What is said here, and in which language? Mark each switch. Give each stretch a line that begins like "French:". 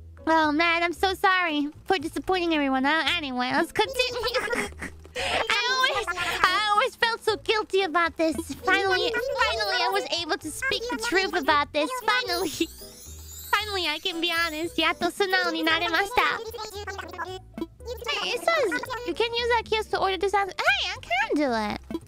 English: Oh man, I'm so sorry for disappointing everyone. Anyway, let's continue. I always felt so guilty about this. Finally, I was able to speak the truth about this. Finally, I can be honest.
Japanese: やっと素直になれました。
English: Hey, it says you can use that kiosk to order this. Hey, I can do it.